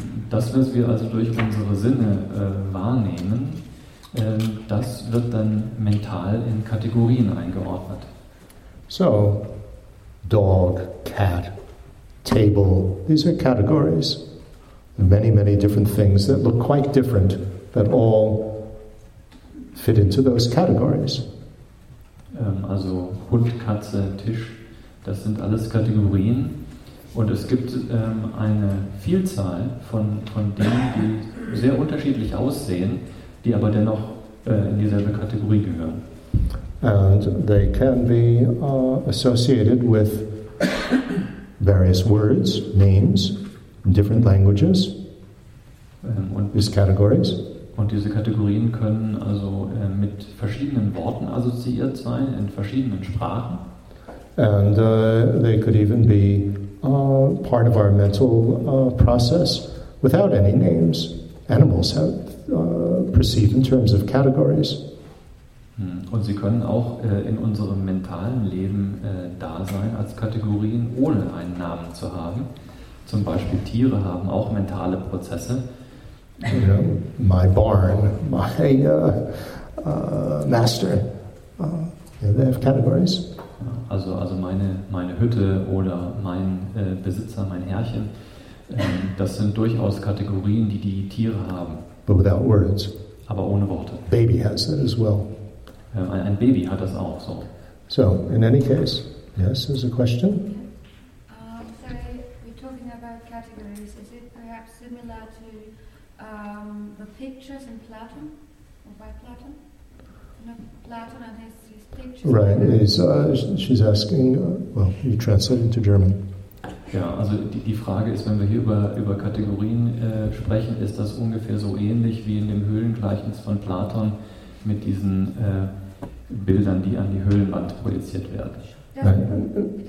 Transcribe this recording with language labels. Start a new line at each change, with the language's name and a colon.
German: Das, was wir also durch unsere Sinne wahrnehmen, das wird dann mental in Kategorien eingeordnet.
English: So, dog, cat, table, these are categories. Many, many different things that look quite different that all fit into those categories.
German: Also Hund, Katze, Tisch, das sind alles Kategorien. Und es gibt eine Vielzahl von Dingen, die sehr unterschiedlich aussehen, die aber dennoch in dieselbe Kategorie gehören.
English: And they can be associated with various words, names, different languages,
German: und
English: these categories.
German: Und diese Kategorien können also mit verschiedenen Worten assoziiert sein, in verschiedenen Sprachen.
English: And they could even be part of our mental process without any names. Animals have perceive in terms of categories.
German: Und sie können auch in unserem mentalen Leben da sein als Kategorien, ohne einen Namen zu haben. Zum Beispiel Tiere haben auch mentale Prozesse.
English: You know, my barn, my master, they have categories.
German: Also meine Hütte oder mein Besitzer, mein Herrchen, das sind durchaus Kategorien, die Tiere haben.
English: But without words.
German: Aber ohne Worte.
English: Baby has that as well.
German: Ein Baby hat das auch so.
English: So, in any case, yes, there's a question. Sorry, we're talking about categories. Is it perhaps similar to the pictures in Platon? Or by Platon? Platon and his pictures. Right, she's asking, well, you translate into German.
German: Ja, also die Frage ist, wenn wir hier über Kategorien sprechen, ist das ungefähr so ähnlich wie in dem Höhlengleichnis von Platon mit diesen Bildern, die an die Höhlenwand projiziert werden.